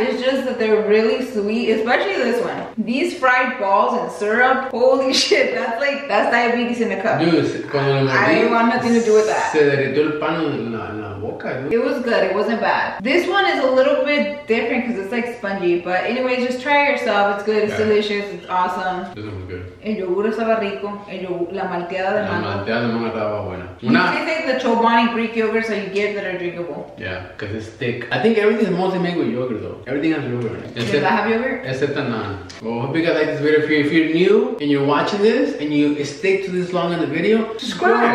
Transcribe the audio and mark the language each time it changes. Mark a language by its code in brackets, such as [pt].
[en] It's just that they're really sweet, especially this one. These fried balls and syrup, holy shit, that's diabetes in a cup. Dude, I didn't want nothing to do with that. [es] Se derritó el pan en la boca, ¿no? [en] It was good, it wasn't bad. This one is a little bit different because it's like spongy. But anyways, just try it yourself. It's good, it's delicious, it's awesome. This one was good. [es] El yogur estaba rico, la malteada de mango. La malteada de mango estaba buena. [en] You can take the Chobani Greek yogurts that you get that are drinkable. Yeah, because it's thick. I think everything is mostly made with yogurt though. Everything has yogurt in it. Does that have yogurt? Except the naan. Well, I hope you guys like this video. If you're new and you're watching this and you stick to this long in the video, subscribe.